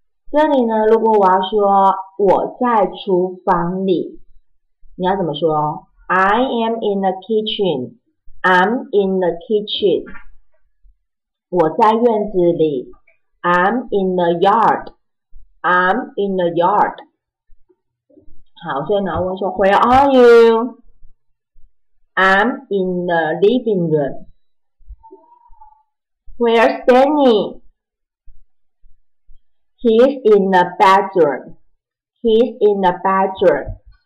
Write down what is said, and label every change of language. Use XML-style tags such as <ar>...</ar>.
<zh>这里呢，如果我要说我在厨房里，你要怎么说？</zh> <en>I am in the kitchen， I'm in the kitchen。</en> <zh>我在院子里，</zh> <en>I'm in the yard， I'm in the yard。</en> <zh>好，所以呢我说</zh> <en>Where are you？ I'm in the living room。 Where's Danny? He's in the bedroom. He's in the bedroom.</en>